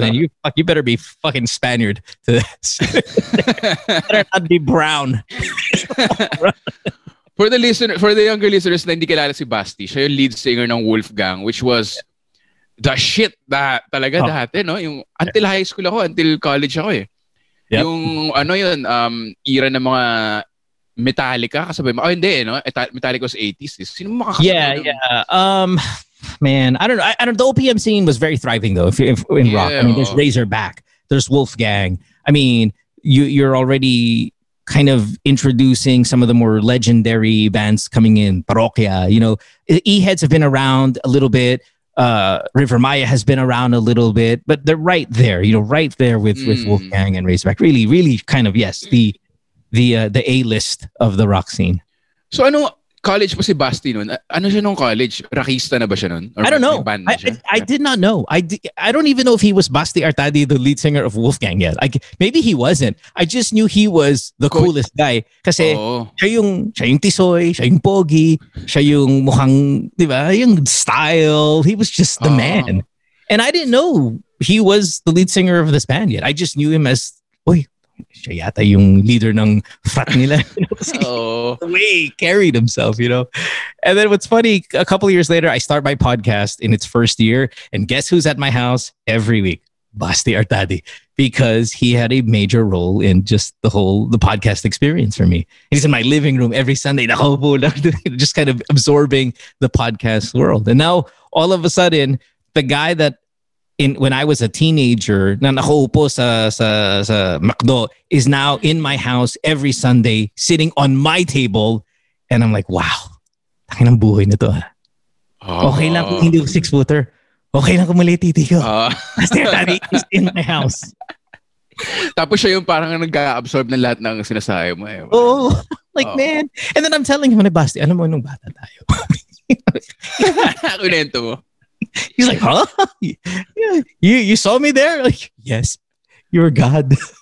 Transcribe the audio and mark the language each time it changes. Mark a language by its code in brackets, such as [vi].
[en] Man, you better be fucking Spaniard to this. Better not be brown. For the younger listeners [tl] na hindi kilala si Basti, siya yung [en] lead singer [tl] ng Wolfgang, [en] which was the shit [tl] na talaga dati, no? Yung until high school ako, until college ako, eh. [en] Yep. [tl] Yung ano yun, era ng mga Metallica, kasabay mo. Oh, hindi, no? [en] Metallica was 80s. [tl] Sino makakasabay? [en] Yeah. Man, I don't know. I don't, the OPM scene was very thriving, though, in rock. I mean, there's Razorback. There's Wolfgang. I mean, you're already kind of introducing some of the more legendary bands coming in. Parokya, you know. E-Heads have been around a little bit. River Maya has been around a little bit, but they're right there, you know, right there with Wolfgang and Razorback. Really, really kind of, yes, the A-list of the rock scene. [tl] So, ano college pa si Basti nun? Ano siya nung college? Rockista na ba siya nun? [en] Or I don't know. I did not know. I don't even know if he was Basti Artadi, the lead singer of Wolfgang yet. Maybe he wasn't. I just knew he was the coolest guy. [tl] Kasi siya yung tisoy, siya yung pogi, siya yung mukhang, di ba? Yung [en] style. He was just the man. And I didn't know he was the lead singer of this band yet. I just knew him as, [tl] siya yata yung leader ng frat nila. [en] The way he carried himself, you know. And then what's funny, a couple of years later, I start my podcast in its first year. And guess who's at my house every week? Basti Artadi. Because he had a major role in just the podcast experience for me. He's in my living room every Sunday. Just kind of absorbing the podcast world. And now, all of a sudden, the guy that when I was a teenager, [tl] na nakaupo sa McDo, [en] is now in my house every Sunday, sitting on my table, and I'm like, wow, [tl] takin ang buhay na to. Okay lang kung hindi ko 6-footer. Okay lang kung mali titi ko. [en] Kasi daddy is in my house. [tl] Tapos siya yung parang nag-absorb ng lahat ng sinasabi mo. [en] Oh. Like, man. And then I'm telling him, Basti, [tl] alam mo nung bata tayo. Kunento mo. [en] He's like, huh? You saw me there? Like, yes. You were God.